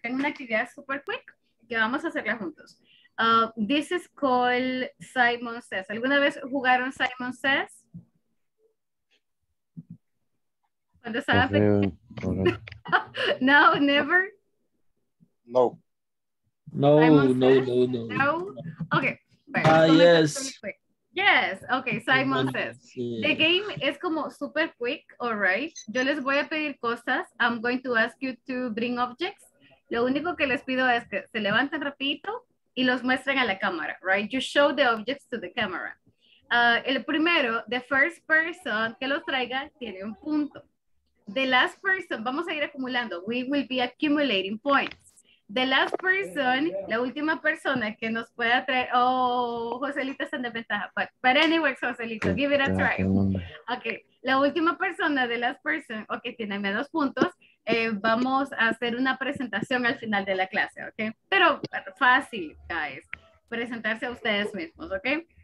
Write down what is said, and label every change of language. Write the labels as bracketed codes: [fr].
[es] Tengo una actividad [en] super quick [es] que vamos a hacerla juntos. [en] This is called Simon Says. [es] ¿Alguna vez jugaron Simon Says? ¿Cuándo estaba pequeño? No, never. No. No, no, no, no. No. Okay. [en] Yes. Yes. Okay. Simon Says. The game is como super quick. All right. [es] Yo les voy a pedir cosas. [en] I'm going to ask you to bring objects. [es] Lo único que les pido es que se levanten rapidito y los muestren a la cámara, right? [en] You show the objects to the camera. [es] El primero, [en] the first person [es] que los traiga, tiene un punto. [en] The last person, [es] vamos a ir acumulando. [en] We will be accumulating points. The last person, [es] la última persona que nos pueda traer. Oh, Joselito está en desventaja. [en] But anyways, Joselito, give it a try. [es] Okay, la última persona, [en] the last person, [es] okay, tiene menos puntos. Vamos a hacer una presentación al final de la clase, ¿ok? Pero fácil, guys, presentarse a ustedes mismos, ¿ok?